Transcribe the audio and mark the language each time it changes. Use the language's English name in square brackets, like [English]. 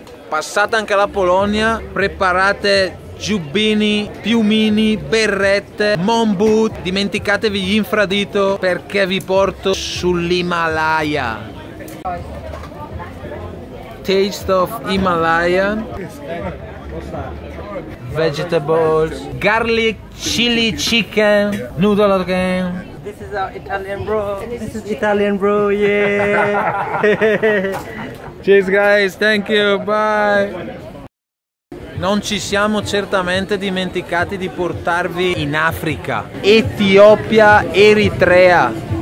[Italian] Passate anche alla Polonia, preparate giubbini, piumini, berrette, mon boot, dimenticatevi gli infradito perché vi porto sull'Himalaya. [English] Taste of Himalayan vegetables, garlic chili chicken noodle again. This is is our Italian bro. This is Italian bro, yeah. Cheers guys, thank you, bye. [Italian] Non ci siamo certamente dimenticati di portarvi in Africa, Etiopia, Eritrea.